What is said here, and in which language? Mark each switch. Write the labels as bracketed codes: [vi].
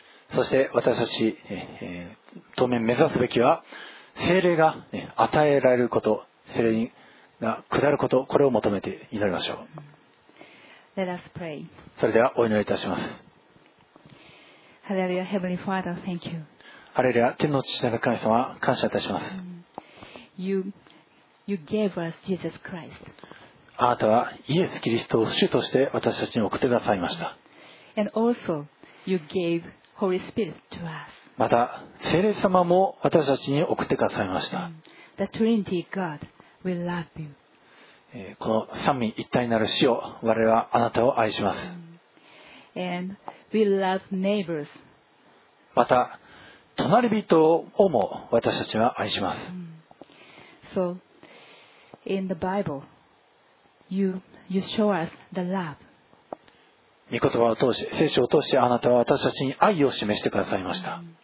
[ja] そして私たち、当面目指すべきは聖霊が、与えられること聖霊が下ることこれを求めて祈りましょう。 [en] Let us pray. [ja] それではお祈りいたします。 [en] ハレルヤ Heavenly Father, thank you. [ja] ハレルヤ天の父なる神様感謝いたします。 [en] You gave us Jesus Christ. [ja] あなたはイエス・キリストを主として私たちに送ってくださいました。 [en] And also, you gave Holy Spirit to us. [ja] また聖霊様も私たちに送ってくださいました。 [en] The Trinity God will love you. [ja] この三位一体なる主を我々はあなたを愛します。 [en] And we love neighbors. [ja] また隣人をも私たちは愛します。 [en] So, in the Bible, you show us the love. [ja] 御言葉を通して、聖書を通してあなたは私たちに愛を示してくださいました。